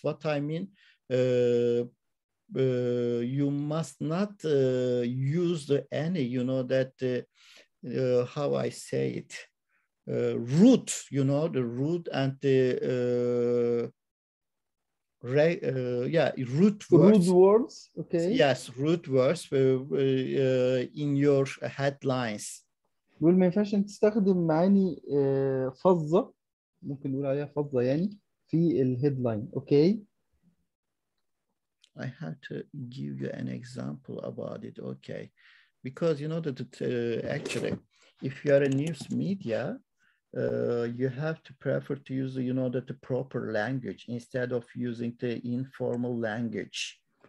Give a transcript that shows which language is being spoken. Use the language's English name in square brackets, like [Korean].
[English] What I mean, you must not use any, you know, that how I say it, root, you know, the root and the root words. Root words, okay. Yes, root words in your headlines. [Arabic] بيقول ما ينفعش تستخدم معاني فظة، ممكن نقول عليها فظة يعني، في الهيدلاين، اوكي؟ [English] I have to give you an example about it, okay. Because you know that actually, if you are a news media, you have to prefer to use, you know, that the proper language instead of using the informal language.